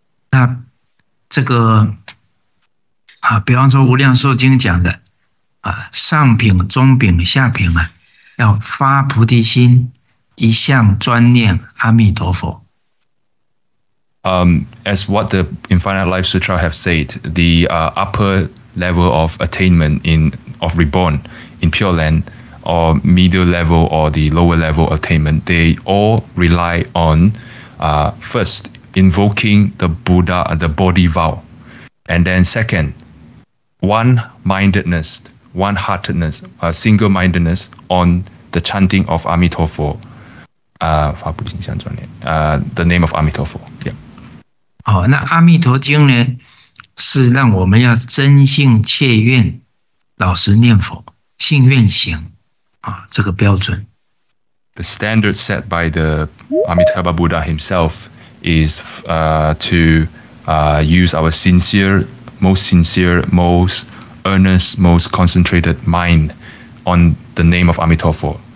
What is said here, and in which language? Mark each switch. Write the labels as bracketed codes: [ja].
[zh] 那这个啊，比方说《无量寿经》讲的啊，上品、中品、下品啊，要发菩提心，一向专念阿弥陀佛。 [en] As what the Infinite Life Sutra have said, the upper level of attainment of reborn in Pure Land, or middle level or the lower level attainment, they all rely on first invoking the Buddha, the Bodhi vow, and then second, one-heartedness, a single-mindedness on the chanting of Amitabha, the name of Amitabha. Yeah. [zh] 哦，那《阿弥陀经》呢，是让我们要真信切愿，老实念佛，信愿行，啊，这个标准。 [en] The standard set by the Amitabha Buddha himself is use our most earnest, most concentrated mind on the name of Amitabha.